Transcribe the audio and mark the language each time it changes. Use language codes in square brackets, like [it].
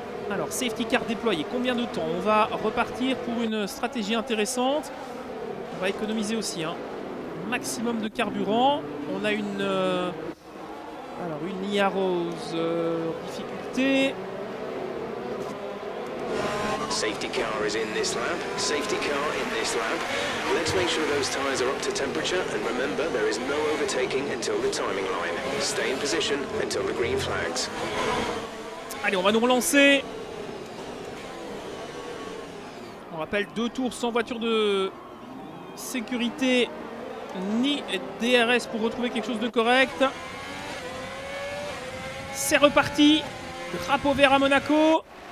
[fr] Alors, safety car déployé, combien de temps? On va repartir pour une stratégie intéressante. On va économiser aussi, hein. Maximum de carburant. On a une Yarros difficulté. [en] Safety car is in this lap. Safety car in this lap. Let's make sure those tires are up to temperature and remember there is no overtaking until the timing line. Stay in position until the green flags. [fr] Allez, on va nous relancer. On rappelle deux tours sans voiture de sécurité. Ni DRS pour retrouver quelque chose de correct. C'est reparti. Drapeau vert à Monaco.